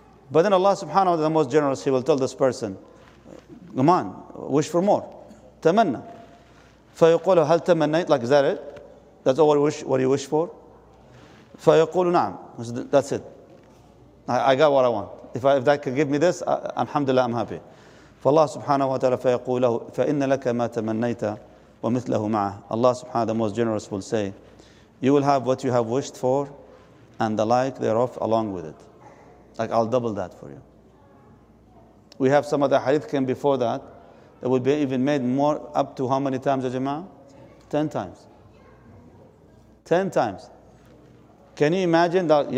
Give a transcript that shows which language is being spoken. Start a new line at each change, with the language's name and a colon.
English: But then Allah subhanahu wa ta'ala, the most generous, He will tell this person, come on, wish for more. Tamanna.
Arabic: فَيَقُولُ هَلْ تَمَنَّيْتَ.
English: Like, is that it? That's all what you wish for?
Arabic: فَيَقُولُ نَعْمْ.
English: That's it. I got what I want. If that can give me this, alhamdulillah, I'm happy.
Arabic: فالله سبحانه وتعالى فيقول له فإن لك ما تمنيت ومثله معه.
English: Allah subhanahu the most generous will say, you will have what you have wished for and the like thereof along with it. Like, I'll double that for you. We have some of the hadith came before that. That would be even made more up to how many times, Jama'ah? 10 times. 10 times. Can you imagine that?